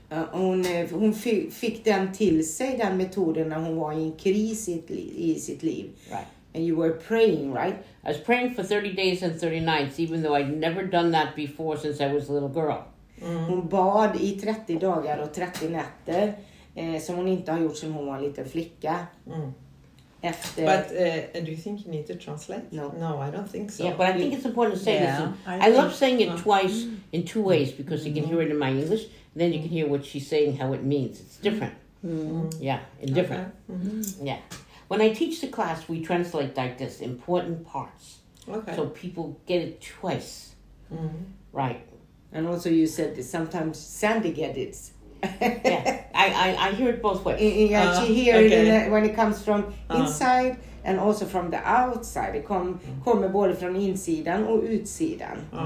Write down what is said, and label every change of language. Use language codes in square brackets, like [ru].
[sv] Hon fick den till sig, den metoden, när hon var i en kris i sitt liv. [en] Right. And you were praying, right? I was praying for 30 days and 30 nights, even though I'd never done that before since I was a little girl. [sv] Hon bad i 30 dagar och 30 nätter, som hon inte har gjort sedan hon var en liten flicka. [en] After. But do you think you need to translate? No, I don't think so. Yeah, but I think it's important to say this. I love saying it twice in two ways, because you can hear it in my English, and then you can hear what she's saying, how it means. It's different. Different. Okay. Mm-hmm. Yeah. When I teach the class, we translate like this, important parts. Okay. So people get it twice. Mm-hmm. Right. And also you said that sometimes Sandy gets it. I hear it both ways. Yeah, she hears when it comes from inside and also from the outside. [sv] It kommer både från insidan och utsidan.